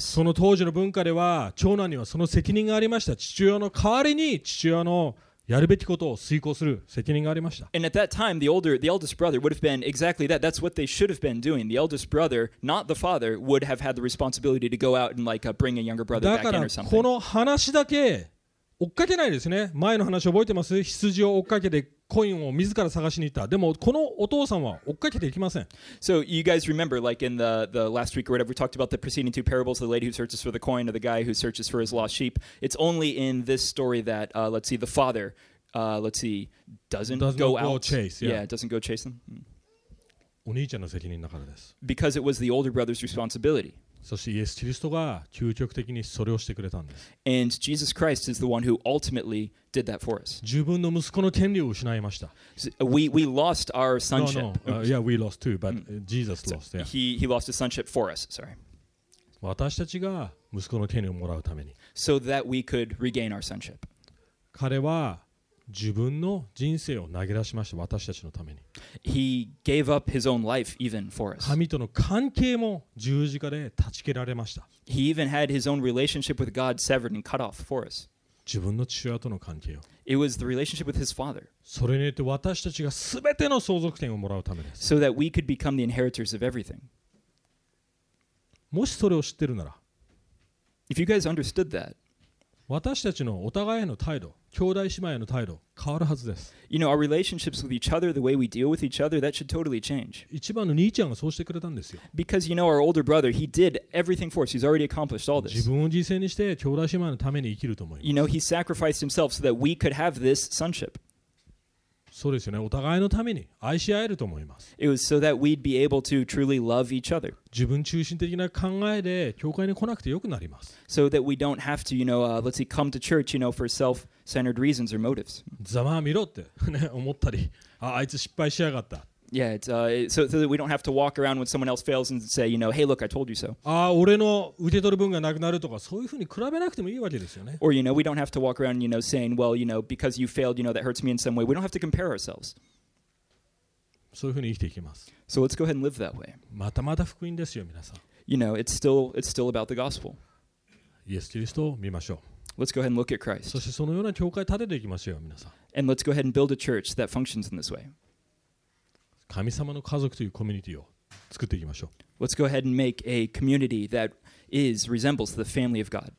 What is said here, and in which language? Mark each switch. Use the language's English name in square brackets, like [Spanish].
[Japanese] その当時の文化では、長男にはその責任がありました。父親の代わりに父親のやるべきことを遂行する責任がありました。 [English] And at that time, the eldest brother would have been exactly that. That's what they should have been doing. The eldest brother, not the father, would have had the responsibility to go out and like bring a younger brother back in or something. [Japanese] だからこの話だけ追っかけないですね。前の話覚えてます？羊を追っかけてコインを自ら探しに行った。でもこのお父さんは追っかけていきません。 [English] So you guys remember, like in the last week or whatever, we talked about the preceding two parables, the lady who searches for the coin or the guy who searches for his lost sheep. It's only in this story that, the father, doesn't go out. Chase, yeah, doesn't go chase them. [Japanese] お兄ちゃんの責任だからです。 [English] Because it was the older brother's responsibility. [Japanese] そしてイエス・キリストが究極的にそれをしてくれたんです。 [English] And Jesus Christ is the one who ultimately did that for us. [Japanese] 自分の息子の権利を失いました。 [English] We lost our sonship. Yeah, we lost too, but Jesus lost. Yeah. He lost his sonship for us. Sorry. [Japanese] 私たちが息子の権利をもらうために。 [English] So that we could regain our sonship. [Japanese] 彼は自分の人生を投げ出しました。私たちのために。 [English] He gave up his own life even for us. [Japanese] 神との関係も十字架で断ち切られました。 [English] He even had his own relationship with God severed and cut off for us. [Japanese] 自分の父親との関係を。 [English] It was the relationship with his father. [Japanese] それによって私たちが全ての相続権をもらうためです。 [English] So that we could become the inheritors of everything. [Japanese] もしそれを知ってるなら。 [English] If you guys understood that. [Japanese] 私たちのお互いへの態度、兄弟姉妹への態度、変わるはずです。 [English] You know, our relationships with each other, the way we deal with each other, that should totally change. [Japanese] 一番の兄ちゃんがそうしてくれたんですよ。 [English] Because, you know, our older brother, he did everything for us. He's already accomplished all this. [Japanese] 自分を犠牲にして兄弟姉妹のために生きると思います。 [English] You know, he sacrificed himself so that we could have this sonship. [Japanese] そうですよね。お互いのために愛し合えると思います。 [English] It was so that we'd be able to truly love each other. [Japanese] 自分中心的な考えで教会に来なくてよくなります。 [English] So that we don't have to, you know, come to church, you know, for self-centered reasons or motives. [Japanese] ざまあ見ろって、ね、思ったり、あいつ失敗しやがった。 [English] Yeah, so that we don't have to walk around when someone else fails and say, you know, hey, look, I told you so. [Japanese] ああ、俺の受け取る分がなくなるとか、そういうふうに比べなくてもいいわけですよね。 [English] Or, you know, we don't have to walk around, you know, saying, well, you know, because you failed, you know, that hurts me in some way. We don't have to compare ourselves. [Japanese] そういうふうに生きていきます。 [English] So let's go ahead and live that way. [Japanese] またまた福音ですよ、皆さん。 [English] You know, it's still about the gospel. [Japanese] イエス・キリストを見ましょう。 [English] Let's go ahead and look at Christ. [Japanese] そしてそのような教会を建てていきましょう、皆さん。 [English] And let's go ahead and build a church that functions in this way. [Japanese] 神様の家族というコミュニティを作っていきましょう。 [English] Let's go ahead and make a community that is resembles the family of God.